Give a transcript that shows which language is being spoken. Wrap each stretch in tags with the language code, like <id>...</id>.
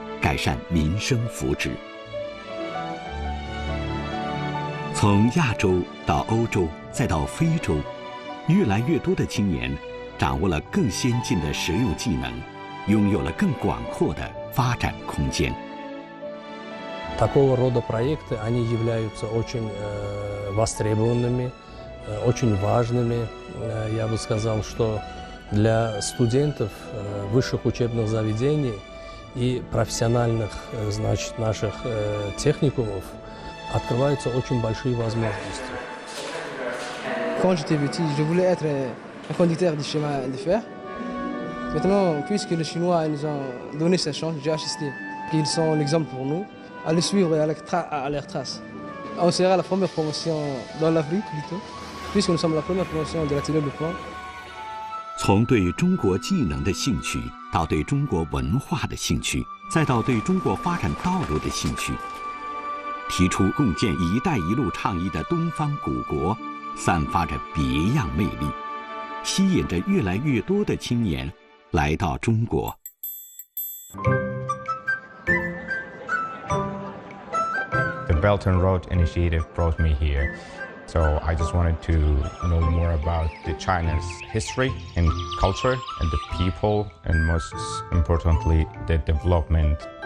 <zh>改善民生福祉。从亚洲到欧洲再到非洲，越来越多的青年掌握了更先进的实用技能，拥有了更广阔的发展空间。</zh> <ru>Такого рода проекты они являются очень востребованными, очень важными. Я бы сказал, что для студентов высших учебных заведений. И профессиональных, значит, наших техникумов открываются очень большие возможности.</ru> <fr>Quand j'étais petit, je voulais être un conducteur de chemin de fer. Maintenant, puisque les Chinois nous ont donné cette chance, j'ai assisté. Ils sont l'exemple pour nous, à les suivre et à leur trace. On sera la première promotion dans l'Afrique, plutôt, puisque nous sommes la première promotion de la télé de plan.</fr> <zh>从对中国技能的兴趣，到对中国文化的兴趣，再到对中国发展道路的兴趣，提出共建“一带一路”倡议的东方古国，散发着别样魅力，吸引着越来越多的青年来到中国。</zh> <en>The Belt and Road Initiative brought me here. So I just wanted to know more about the China's history and culture and the people and most importantly, the development.</en>